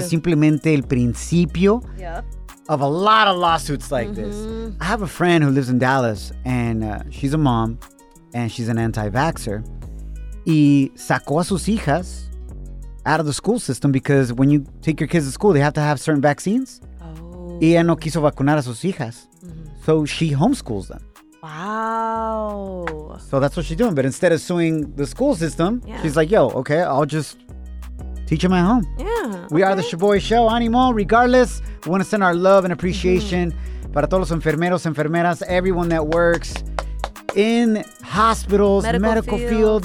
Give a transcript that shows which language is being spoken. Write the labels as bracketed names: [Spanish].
[Spanish] Es simplemente el principio [English] of a lot of lawsuits like this. I have a friend who lives in Dallas, and she's a mom, and she's an anti-vaxxer. [Spanish] Y sacó a sus hijas [English] out of the school system because when you take your kids to school, they have to have certain vaccines. Oh. [Spanish] Y ella no quiso vacunar a sus hijas. [English] So she homeschools them. Wow. So that's what she's doing. But instead of suing the school system, she's like, yo, okay, I'll just teach him at home. Yeah. We are the Shaboy Show. Animo. Regardless, we want to send our love and appreciation [Spanish] para todos los enfermeros, enfermeras, [English] everyone that works in hospitals, medical field.